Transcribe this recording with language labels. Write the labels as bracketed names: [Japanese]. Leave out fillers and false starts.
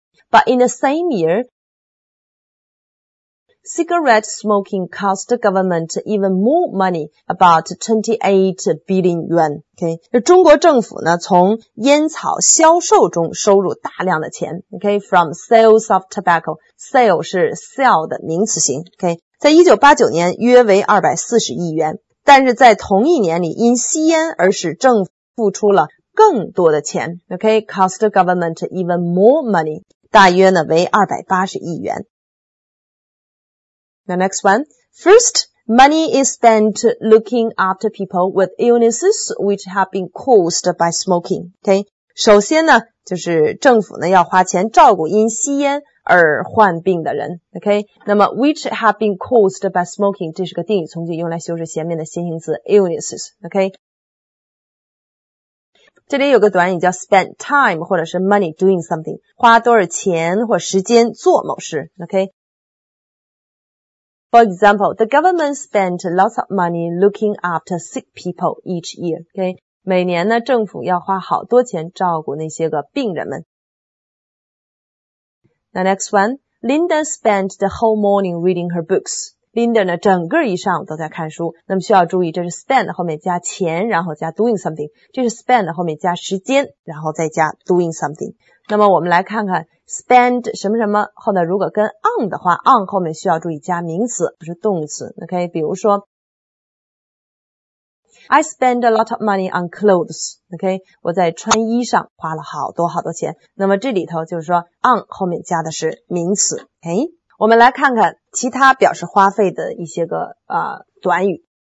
[English] But in the same year, cigarette smoking cost the government even more money, about 28 billion yuan. Okay? [Chinese] 中国政府呢从烟草销售中收入大量的钱。 [English] Okay? From sales of tobacco. Sale [Chinese] 是 [English] sell [Chinese] 的名词型。 [English] Okay? [Chinese] 在1989年约为240亿元。但是在同一年里因吸烟而使政府付出了更多的钱。 [English] Okay? Cost the government even more money. [Chinese] 大约呢为280亿元。 [English] The next one. First, money is spent looking after people with illnesses which have been caused by smoking. Okay? [Chinese] 首先呢就是政府呢要花钱照顾因吸烟而患病的人。 Okay? 那么 [English] which have been caused by smoking, [Chinese] 这是个定语从句用来修饰前面的先行词 illnesses. Okay? 这里有个短语叫 [English] spend time [Chinese] 或者是 [English] money doing something, [Chinese] 花多少钱或时间做某事。Okay? [English] For example, the government spent lots of money looking after sick people each year. Okay? [Chinese] 每年呢政府要花好多钱照顾那些个病人们。 [English] The next one, Linda spent the whole morning reading her books. [Chinese] Linda 呢整个一上午都在看书。那么需要注意这是 spend 后面加钱然后加 doing something. 这是 spend 后面加时间然后再加 doing something. 那么我们来看看spend 什么什么后呢如果跟 on 的话 on 后面需要注意加名词不是动词 OK 比如说 [English] I spend a lot of money on clothes [Chinese] OK 我在穿衣上花了好多好多钱那么这里头就是说 on 后面加的是名词 OK 我们来看看其他表示花费的一些个短语